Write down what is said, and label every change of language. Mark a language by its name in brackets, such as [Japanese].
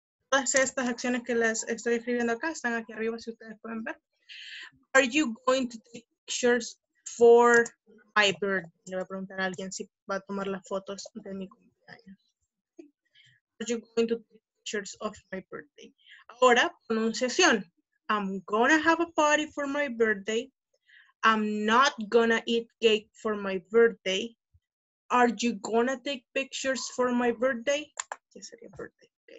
[Spanish] Todas estas acciones que las estoy escribiendo acá están aquí arriba, si ustedes pueden ver. [English] Are you going to take pictures for my birthday? [Spanish] Le voy a preguntar a alguien si va a tomar las fotos de mi cumpleaños. [English] Are you going to take pictures of my birthday? [Spanish] Ahora, pronunciación. [English] I'm gonna have a party for my birthday. I'm not gonna eat cake for my birthday. Are you gonna take pictures for my birthday? [Spanish] ¿Qué sería birthday? [English] Okay.